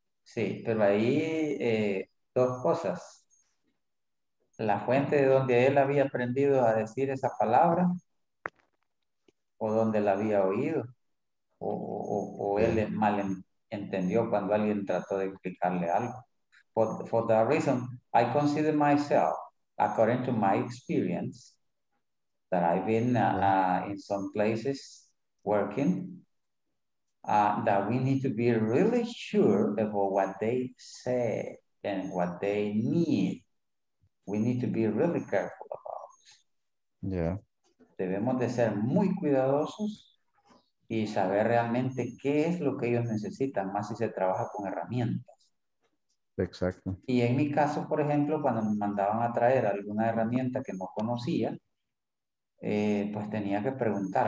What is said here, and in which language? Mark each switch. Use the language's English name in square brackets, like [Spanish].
[Spanish] Sí, pero ahí dos cosas. La fuente de donde él había aprendido a decir esa palabra, o donde la había oído, o él mal entendió cuando alguien trató de explicarle algo. [English] For that reason, I consider myself, according to my experience, that I've been in some places working, that we need to be really sure about what they say and what they need. We need to be really careful about it. Yeah. [Spanish] Debemos de ser muy cuidadosos y saber realmente qué es lo que ellos necesitan, más si se trabaja con herramientas. Exacto. Y en mi caso, por ejemplo, cuando me mandaban a traer alguna herramienta que no conocía, pues tenía que preguntar.